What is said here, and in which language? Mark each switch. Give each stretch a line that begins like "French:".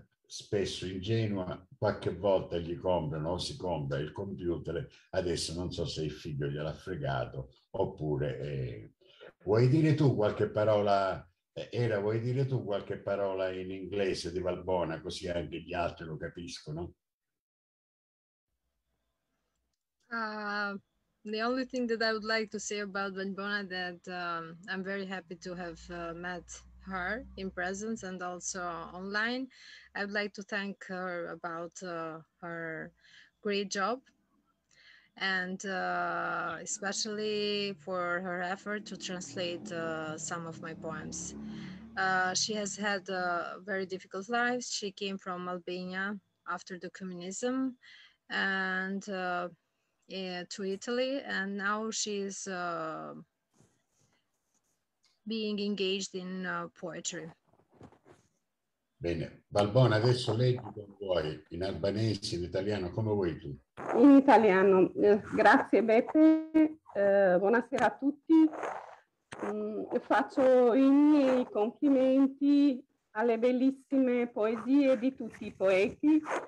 Italian: spesso ingenua, qualche volta gli comprano o si compra il computer, adesso non so se il figlio gliel'ha fregato oppure vuoi dire tu qualche parola, Era, vuoi dire tu qualche parola in inglese di Valbona, così anche gli altri lo capiscono?
English: The only thing that I would like to say about Valbona that I'm very happy to have met her in presence and also online. I would like to thank her about her great job and especially for her effort to translate some of my poems. She has had a very difficult life. She came from Albania after the communism and to Italy, and now she's being engaged in poetry.
Italian: Bene, Valbona, adesso leggi con voi in albanese, in italiano, come vuoi tu? In italiano, grazie Beppe, buonasera a tutti. Faccio i miei complimenti alle bellissime poesie di tutti i poeti.